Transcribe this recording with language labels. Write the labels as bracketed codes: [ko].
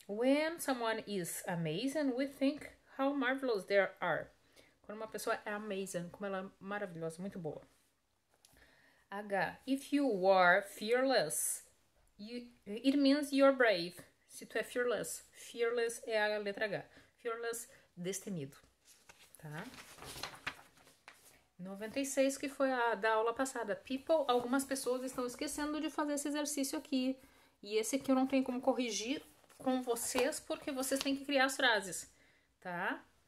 [en] When someone is amazing, we think how marvelous they are. [pt] Quando uma pessoa é amazing, como ela é maravilhosa, muito boa. H. [en] If you are fearless, it means you're brave. [pt] Se tu é fearless, fearless é a letra H. Fearless, destemido. Tá? 96, que foi a da aula passada. People, algumas pessoas estão esquecendo de fazer esse exercício aqui. E esse aqui eu não tenho como corrigir com vocês, porque vocês têm que criar as frases, tá?